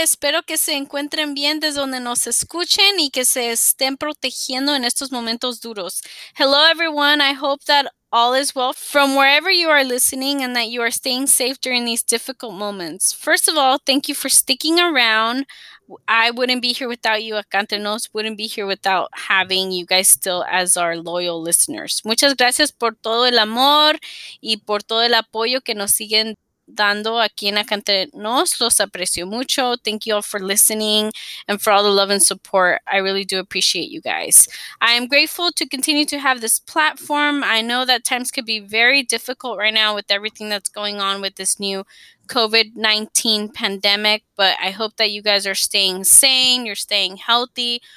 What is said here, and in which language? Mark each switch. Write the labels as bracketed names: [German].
[Spanish] Espero que se encuentren bien desde donde nos escuchen y que se estén protegiendo en estos momentos duros. [English] Hello, everyone. I hope that all is well from wherever you are listening and that you are staying safe during these difficult moments. First of all, thank you for sticking around. I wouldn't be here without you. Acantanos wouldn't be here without having you guys still as our loyal listeners. [Spanish] Muchas gracias por todo el amor y por todo el apoyo que nos siguen dando aquí en Acantanos. Los aprecio mucho. [English] Thank you all for listening and for all the love and support. I really do appreciate you guys. I am grateful to continue to have this platform. I know that times could be very difficult right now with everything that's going on with this new COVID-19 pandemic, but I hope that you guys are staying sane, you're staying healthy.